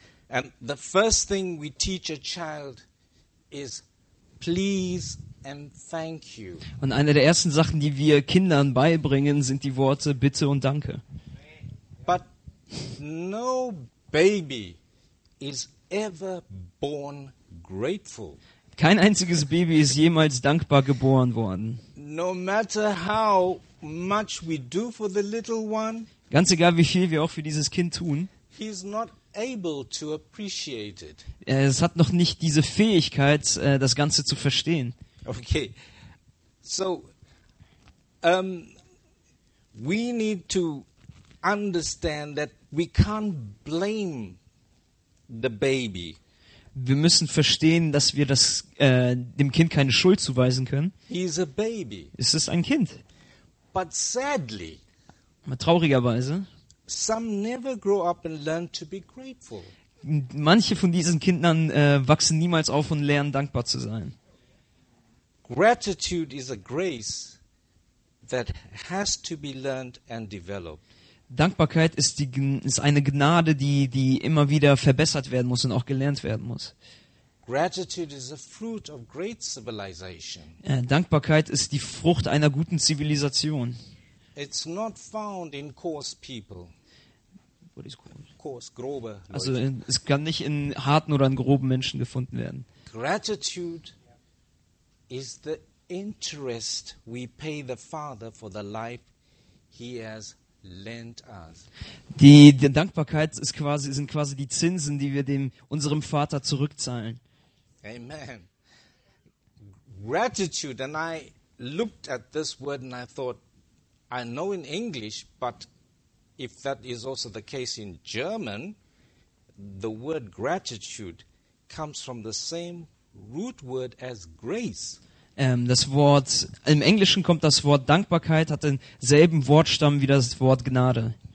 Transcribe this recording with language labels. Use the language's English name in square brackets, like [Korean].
[English] And the first thing we teach a child is please and thank you. [German] Und eine der ersten Sachen, die wir Kindern beibringen, sind die Worte bitte und danke. [English] But no baby is ever born grateful. [German] Kein einziges Baby ist jemals dankbar geboren worden. [English] No matter how much we do for the little one. [German] Ganz egal, wie viel wir auch für dieses Kind tun, [English] he's not able to appreciate it. [German] Es hat noch nicht diese Fähigkeit, das Ganze zu verstehen. [English] Okay, so we need to understand that we can't blame the baby. [German] Wir müssen verstehen, dass wir das dem Kind keine Schuld zuweisen können. [English] He's a baby. [German] Es ist ein Kind. [English] But sadly. [German] Traurigerweise. [English] Some never grow up and learn to be grateful. [German] Manche von diesen Kindern wachsen niemals auf und lernen dankbar zu sein. [English] Gratitude is a grace that has to be learned and developed. [German] Dankbarkeit ist eine Gnade, die immer wieder verbessert werden muss und auch gelernt werden muss. [English] Gratitude is a fruit of great civilization. [German] Dankbarkeit ist die Frucht einer guten Zivilisation. [English] It's not found in coarse people. What is coarse? [German] Coarse, grobe Leute. Also es kann nicht in harten oder in groben Menschen gefunden werden. [English] Gratitude is the interest we pay the Father for the life he has lent us. [German] Die Dankbarkeit sind quasi die Zinsen, die wir unserem Vater zurückzahlen. [English] Amen. Gratitude, and I looked at this word and I thought, I know in English, but if that is also the case in German, the word gratitude comes from the same root word as grace. [German] Das Wort im Englischen kommt das Wort Dankbarkeit hat denselben Wortstamm wie das Wort Gnade.